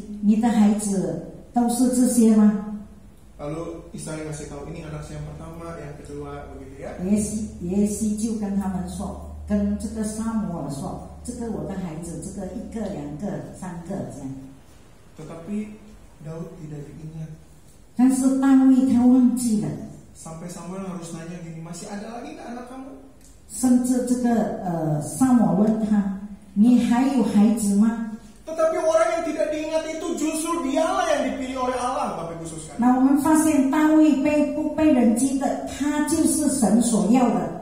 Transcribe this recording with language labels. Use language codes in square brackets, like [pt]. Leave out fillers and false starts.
[zh] 当时神问萨摩尔问耶西，你的孩子都是这些吗？ [id] Lalu Isai ngasih tahu ini anak saya yang pertama, yang kedua, begitu ya. [zh] Yesi就跟他们说，跟这个撒母耳说，这个我的孩子，这个一个、两个、三个这样。 [id] Tetapi Daud tidak diingat. [zh] 但是大卫他忘记了。 [id] Sampai Samuel harus nanya gini, masih ada lagi nggak anak kamu? [zh] 甚至这个撒母耳问他，你还有孩子吗？ [id] Tetapi orang yang tidak diingat itu justru dialah yang dipilih oleh Allah, Bapak Ibu Saudara. [zh] Nah, 我们发现大卫被不被人记得，他就是神所要的。